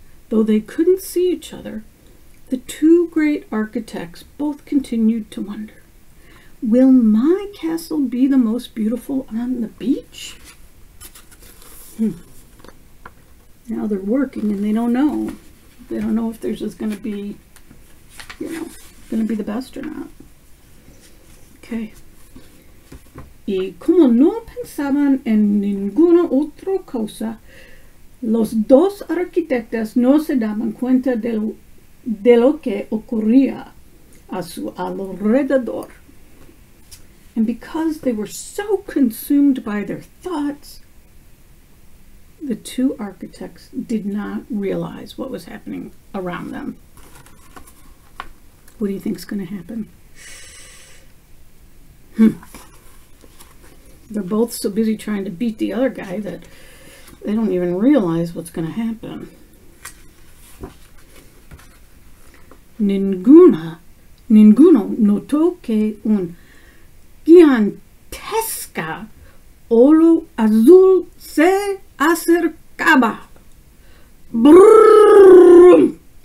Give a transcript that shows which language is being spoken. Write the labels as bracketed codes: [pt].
[en] Though they couldn't see each other, the two great architects both continued to wonder, will my castle be the most beautiful on the beach? Hmm. Now they're working and they don't know. They don't know if theirs is going to be, you know, going to be the best or not. Okay. [es] Y como no pensaban en ninguna otra cosa, los dos arquitectos no se daban cuenta de lo que ocurría a su alrededor. [en] And because they were so consumed by their thoughts, the two architects did not realize what was happening around them. What do you think is going to happen? They're both so busy trying to beat the other guy that they don't even realize what's going to happen. [es] Ninguno notó que un gigantesca olo azul se acercaba. Brrrr.